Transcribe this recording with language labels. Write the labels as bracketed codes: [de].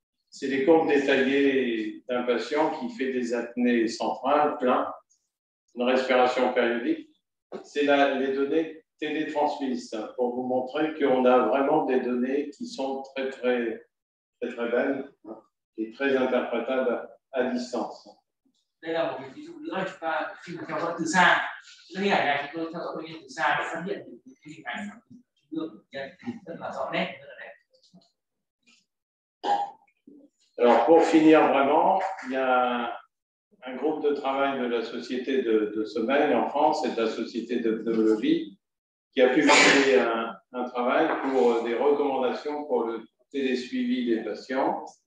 [fr] C'est les courbes détaillées d'un patient qui fait des apnées centrales, plein, une respiration périodique. C'est les données télétransmises pour vous montrer qu'on a vraiment des données qui sont très très très très belles et très interprétables à distance. [vi] Đây là một ví dụ nữa, chúng ta khi mà theo dõi từ xa, những hình ảnh này chúng tôi theo dõi bệnh nhân từ xa để phát hiện những hình ảnh trung ương rất là rõ nét, rất là đẹp. [fr] Alors pour finir vraiment, il y a un groupe de travail de la société de sommeil en France et de la société de pneumologie qui a publié un travail pour des recommandations pour le télésuivi des patients.